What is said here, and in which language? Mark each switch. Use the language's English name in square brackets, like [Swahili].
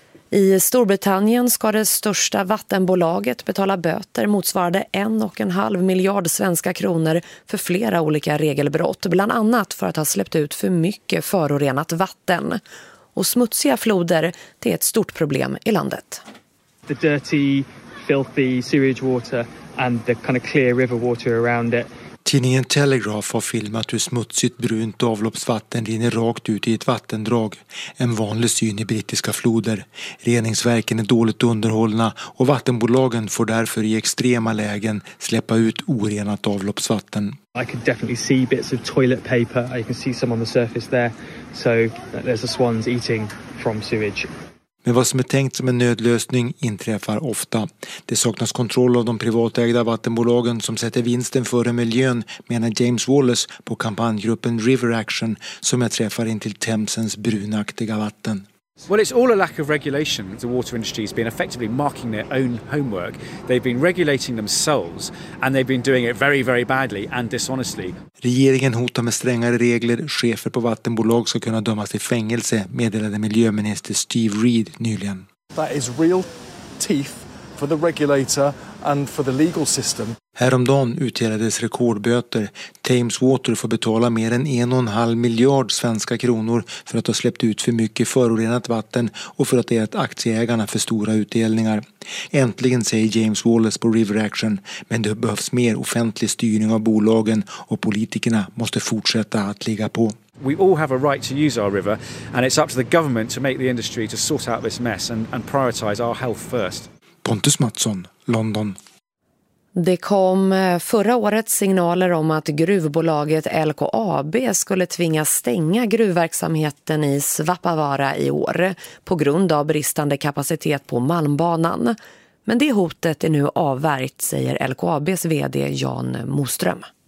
[Swedish] I Storbritannien ska det största vattenbolaget betala böter motsvarande 1,5 miljard svenska kronor för flera olika regelbrott. Bland annat för att ha släppt ut för mycket förorenat vatten. Och smutsiga floder, det är ett stort problem i landet. [English] The dirty, filthy sewage water and the kind of clear river water around it. [Swedish] Tidningen Telegraph har filmat hur smutsigt brunt avloppsvatten rinner rakt ut i ett vattendrag. En vanlig syn i brittiska floder. Reningsverken är dåligt underhållna och vattenbolagen får därför i extrema lägen släppa ut orenat avloppsvatten. [English] I can definitely see bits of toilet paper. I can see some on the surface there. So there's a swans eating from sewage. [Swedish] Men vad som är tänkt som en nödlösning inträffar ofta. Det saknas kontroll av de privatägda vattenbolagen som sätter vinsten före miljön, menar James Wallace på kampanjgruppen River Action, som jag träffar in till Themsens brunaktiga vatten. [English] Well, it's all a lack of regulation. The water industry has been effectively marking their own homework. They've been regulating themselves and they've been doing it very, very badly and dishonestly. [Swedish] Regeringen hotar med strängare regler. Chefer på vattenbolag ska kunna dömas till fängelse, meddelade miljöminister Steve Reed nyligen. [English] That is real teeth for the regulator and for the legal system. [Swedish] Häromdagen utdelades rekordböter. Thames Water får betala mer än 1,5 miljard svenska kronor för att ha släppt ut för mycket förorenat vatten och för att det är att aktieägarna för stora utdelningar. Äntligen säger James Wallace på River Action, men det behövs mer offentlig styrning av bolagen och politikerna måste fortsätta att ligga på. [English] We all have a right to use our river and it's up to the government to make the industry to sort out this mess and prioritize our health first. [Swedish] Pontus Mattsson, London. Det kom förra året signaler om att gruvbolaget LKAB skulle tvingas stänga gruvverksamheten i Svappavaara i år på grund av bristande kapacitet på malmbanan. Men det hotet är nu avvärjt, säger LKABs vd Jan Moström.